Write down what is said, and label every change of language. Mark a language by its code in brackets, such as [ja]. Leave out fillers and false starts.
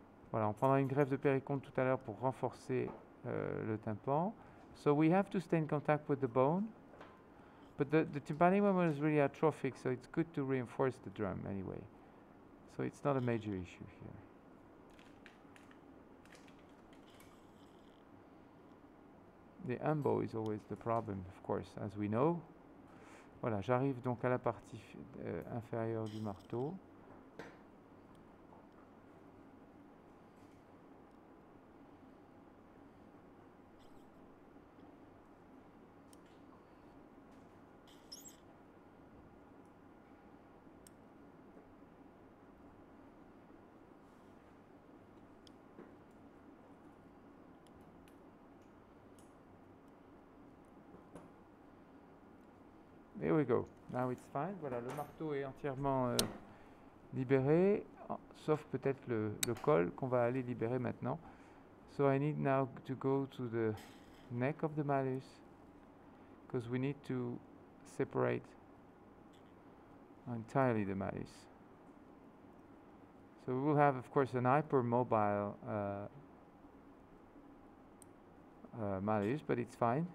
[fr] Voilà, on prendra une greffe de péricondre tout à l'heure pour renforcer le tympan. [en] So we have to stay in contact with the bone. But the tympanum is really atrophic, so it's good to reinforce the drum anyway. So it's not a major issue here. The umbo is always the problem, of course, as we know. [fr] Voilà, j'arrive donc à la partie inférieure du marteau. [en] Here we go. Now it's fine. [fr] Voilà, le marteau est entièrement libéré, sauf peut-être le col qu'on va aller libérer maintenant. [en] So I need now to go to the neck of the malleus, because we need to separate entirely the malleus. So we will have, of course, an hypermobile malleus, but it's fine.